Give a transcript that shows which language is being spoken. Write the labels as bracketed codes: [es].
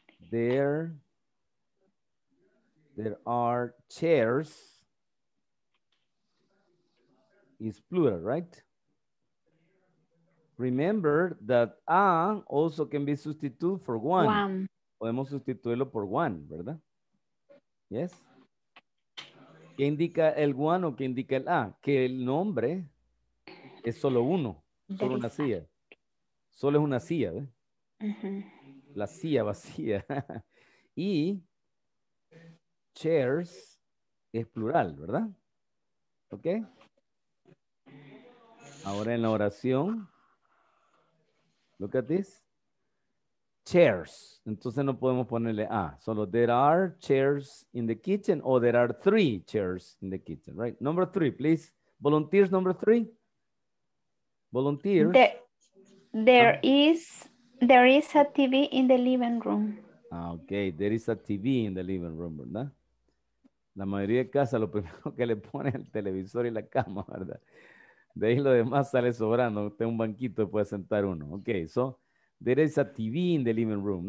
[en] There are chairs. It's plural, right? Remember that a also can be substituted for one. [es] Podemos sustituirlo por one, ¿verdad? Yes. ¿Qué indica el one o qué indica el a? Que el nombre es solo uno, solo una silla. Solo es una silla, ¿ves? Uh-huh. La silla vacía. Y chairs es plural, ¿verdad? ¿Ok? Ahora en la oración, [en] look at this. [es] Chairs. Entonces no podemos ponerle a. [en] Solo there are chairs in the kitchen or there are three chairs in the kitchen, right? Number three, please. Volunteers, number three. Volunteers. There is a TV in the living room. Okay, there is a TV in the living room, ¿verdad? [es] La mayoría de casa lo primero que le pone es el televisor y la cama, ¿verdad? De ahí lo demás sale sobrando. Tengo un banquito y puede sentar uno. [en] Ok, so there is a TV in the living room.